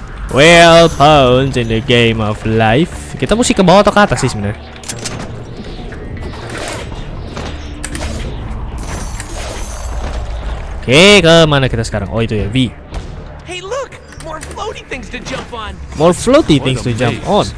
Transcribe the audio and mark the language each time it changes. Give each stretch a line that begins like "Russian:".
English: Well, pawns in the game of life.
Indonesian: Kita mesti ke bawah atau ke atas sih sebenarnya? Oke, ke mana kita sekarang? Oh, itu ya, V.
English: Hey, look, more floaty things to jump on. More floaty things to jump on.